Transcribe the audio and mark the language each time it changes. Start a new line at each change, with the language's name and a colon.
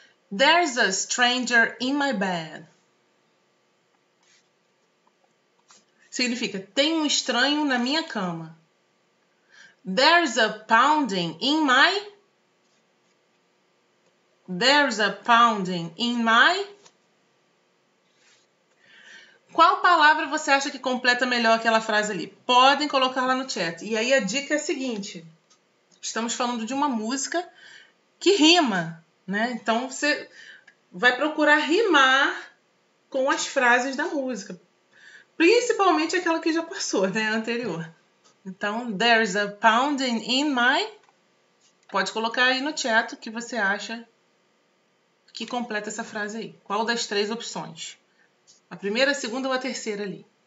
English: There's a stranger in my bed.
Portuguese: Significa: tem um estranho na minha cama.
English: There's a pounding in my. There's a pounding in my.
Portuguese: Qual palavra você acha que completa melhor aquela frase ali? Podem colocar lá no chat. E aí a dica é a seguinte: estamos falando de uma música que rima, né? Então você vai procurar rimar com as frases da música. Principalmente aquela que já passou, né? A anterior.
English: Então, there's a pounding in my.
Portuguese: Pode colocar aí no chat o que você acha que completa essa frase aí. Qual das três opções? A primeira, a segunda ou a terceira ali?